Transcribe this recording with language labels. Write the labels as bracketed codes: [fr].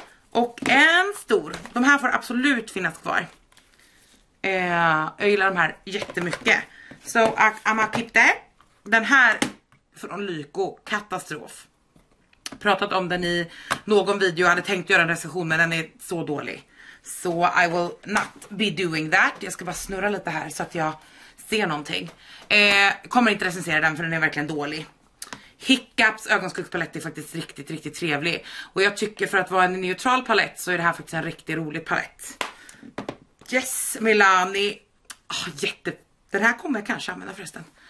[sv] Och en stor. De här får absolut finnas kvar. Jag gillar de här jättemycket. [en] So I'm a keep that. [sv] Den här från Lyko, katastrof. Pratat om den i någon video, jag hade tänkt göra en recension men den är så dålig. [en] So I will not be doing that. [sv] Jag ska bara snurra lite här så att jag ser någonting. Kommer inte recensera den för den är verkligen dålig. Hiccups ögonskuggspalett är faktiskt riktigt riktigt trevlig. Och jag tycker för att vara en neutral palett så är det här faktiskt en riktigt rolig palett. Yes, Milani. Oh, jätte. Den här kommer jag kanske använda förresten.